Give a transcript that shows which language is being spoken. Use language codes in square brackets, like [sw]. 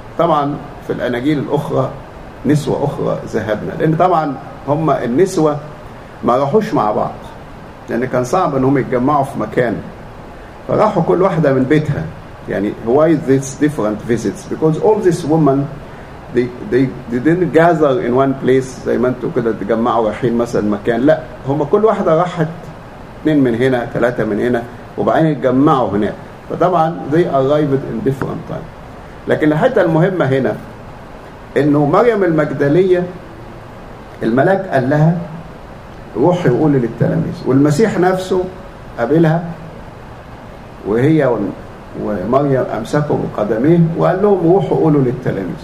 [ar] طبعا في الاناجيل الاخرى نسوة اخرى ذهبنا، لان طبعا هم النسوة ما راحوش مع بعض، لان كان صعب ان هم يتجمعوا في مكان، فراحوا كل واحدة من بيتها. يعني [en] why these different visits, because all these women They didn't gather in one place [ar] زي ما انتوا كده تجمعوا رايحين مثلا مكان، لا، هما كل واحدة راحت، اثنين من هنا ثلاثة من هنا، وبعدين اتجمعوا هناك. [en] فطبعا they arrived in different time. [ar] لكن الحتة المهمة هنا انه مريم المجدلية الملاك قال لها روح يقول للتلاميذ، والمسيح نفسه قابلها وهي ومريم أمسكوا بقدميه وقال لهم روحوا قولوا للتلاميذ.